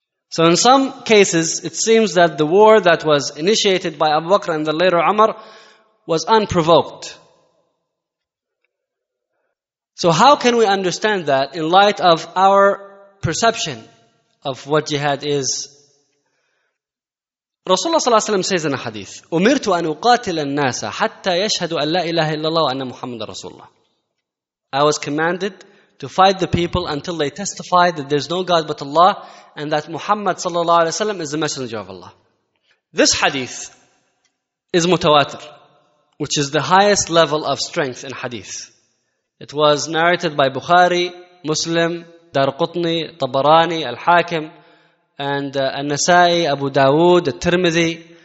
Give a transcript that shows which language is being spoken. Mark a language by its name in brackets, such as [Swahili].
[English] So in some cases, it seems that the war that was initiated by Abu Bakr and the later Umar was unprovoked. So how can we understand that in light of our perception of what jihad is? [Arabic] Rasulullah صلى الله عليه وسلم [English] says in a hadith, [Arabic] أُمِرْتُ أَنْ أُقَاتِلَ النَّاسَ حَتَّى يَشْهَدُ أَنْ لَا إِلَهَ إِلَّا اللَّهُ وَأَنَّ مُحَمَّدَ رَسُولُ اللَّهِ. [English] I was commanded to fight the people until they testify that there's no God but Allah and that Muhammad صلى الله عليه وسلم is the messenger of Allah. This hadith is mutawatir, which is the highest level of strength in hadith. It was narrated by Bukhari, Muslim, Darqutni, Tabarani, Al-Hakim, and An-Nasa'i, Abu Dawood, Al-Tirmidhi.